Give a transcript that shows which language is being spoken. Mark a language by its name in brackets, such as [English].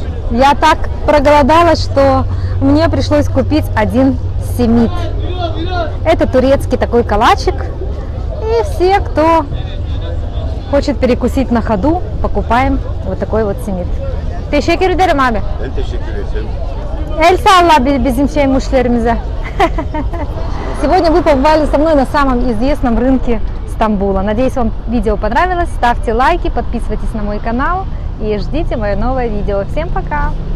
[Russian] Я так проголодалась, что мне пришлось купить один семит. Это турецкий такой калачик. И все, кто хочет перекусить на ходу, покупаем вот такой вот семит. [Turkish] Teşekkür ederim abi. Ben teşekkür ederim. El sallah bizim müşterimize. [Russian] Сегодня вы побывали со мной на самом известном рынке Стамбула. Надеюсь, вам видео понравилось. Ставьте лайки, подписывайтесь на мой канал и ждите мое новое видео. Всем пока!